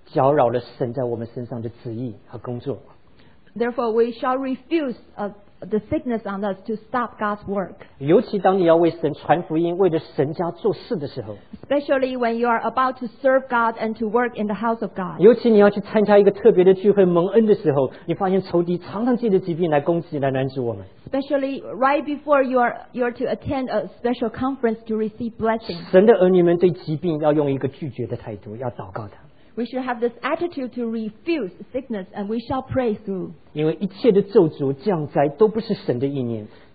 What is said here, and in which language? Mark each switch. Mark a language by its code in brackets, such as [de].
[zh] 弟兄姊妹，我们决定不甘心疾病在我们身上搅扰了神在我们身上的旨意和工作。 [en] Therefore, we shall refuse the sickness on us to stop God's work. [zh] 尤其当你要为神传福音，为了神家做事的时候。 [en] Especially when you are about to serve God and to work in the house of God. [zh] 尤其你要去参加一个特别的聚会蒙恩的时候，你发现仇敌常常借着疾病来攻击、来拦阻我们。 [en] Especially right before you are to attend a special conference to receive blessings. [zh] 神的儿女们对疾病要用一个拒绝的态度，要祷告他。 [en] We should have this attitude to refuse sickness, and we shall pray through. [zh] 因为一切的咒诅降灾都不是神的意念。